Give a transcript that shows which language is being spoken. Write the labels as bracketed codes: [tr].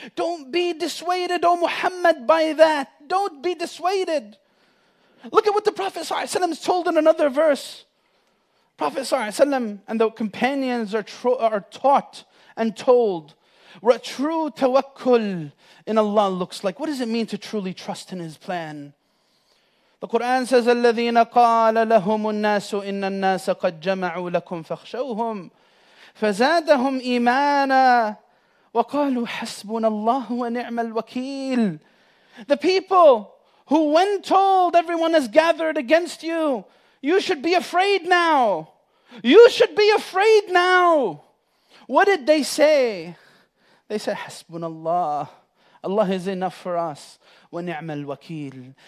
[en] Don't be dissuaded, O Muhammad, by that. Don't be dissuaded. Look at what the Prophet Sallallahu Alaihi Wasallam is told in another verse. Prophet Sallallahu Alaihi Wasallam and the companions are taught and told what true tawakkul in Allah looks like. What does it mean to truly trust in His plan? The Quran says, [ar] الَّذِينَ قَالَ لَهُمُ النَّاسُ إِنَّ النَّاسَ قَدْ جَمَعُوا لَكُمْ فَخْشَوْهُمْ فَزَادَهُمْ إِيمَانًا وَقَالُوا حَسْبُنَا اللَّهُ وَنِعْمَ الْوَكِيلُ. [en] The people who, when told everyone has gathered against you, you should be afraid now. You should be afraid now. What did they say? They said, [ar] حَسْبُنَا اللَّهُ. [en] Allah is enough for us. [ar] وَنِعْمَ الْوَكِيلُ.